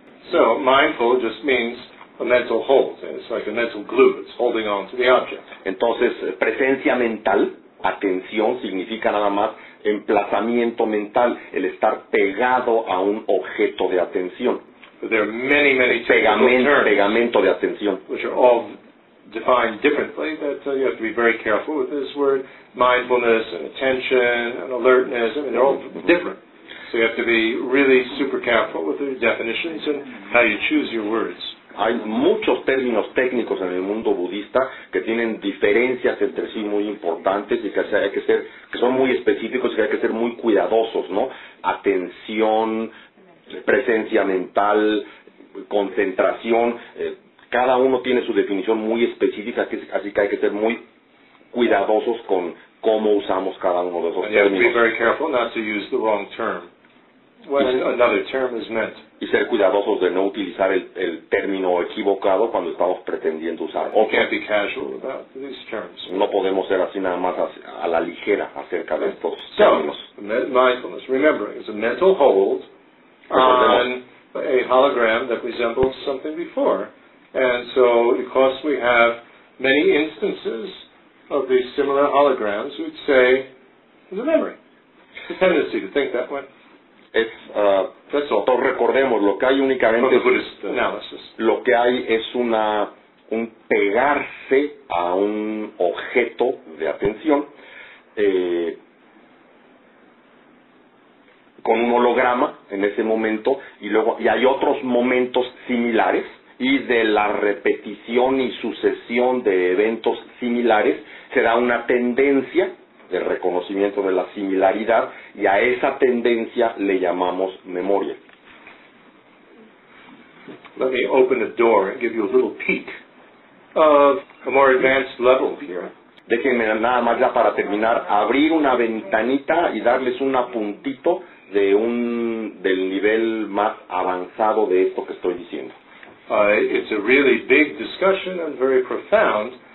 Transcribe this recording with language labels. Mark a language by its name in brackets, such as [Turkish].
[English] So, mindful just means a mental hold. It's like a mental glue. It's holding on to the object. [Spanish] Entonces, presencia mental, atención, significa nada más emplazamiento mental, el estar pegado a un objeto de atención. [English] There are many, many [Spanish] pegamento de atención. [English] Which are all defined differently, but you have to be very careful with this word. Mindfulness and attention and alertness, I mean, they're all different. So you have to be really super careful with the definitions and how you choose your words. [Spanish] Hay muchos términos técnicos en el mundo budista que tienen diferencias entre sí muy importantes y que hay que ser, que son muy específicos y que hay que ser muy cuidadosos, ¿no? Atención, presencia mental, concentración, cada uno tiene su definición muy específica, así que hay que ser muy cuidadosos con cómo usamos cada uno de esos términos. [English] Be very careful not to use the wrong term. When another term is meant. [Spanish] Y ser cuidadosos de no utilizar el término equivocado cuando estamos pretendiendo usar. [English] You can't be casual about these terms. [Spanish] No podemos ser así nada más a la ligera acerca de estos términos. [English] Mindfulness, remembering, is a mental hold on a hologram that resembles something before. And so, because we have many instances of these similar holograms, we'd say it's a memory. It's a tendency to think that way. [Spanish] Es, todos recordemos, lo que hay únicamente es, lo que hay es una un pegarse a un objeto de atención con un holograma en ese momento y luego y hay otros momentos similares y de la repetición y sucesión de eventos similares se da una tendencia de reconocimiento de la similaridad y a esa tendencia le llamamos memoria. [English] Let me open the door and give you a little peek of a more advanced level here. [Spanish] Déjenme nada más ya para terminar abrir una ventanita y darles un apuntito de un del nivel más avanzado de esto que estoy diciendo. [English] It's a really big discussion and very profound.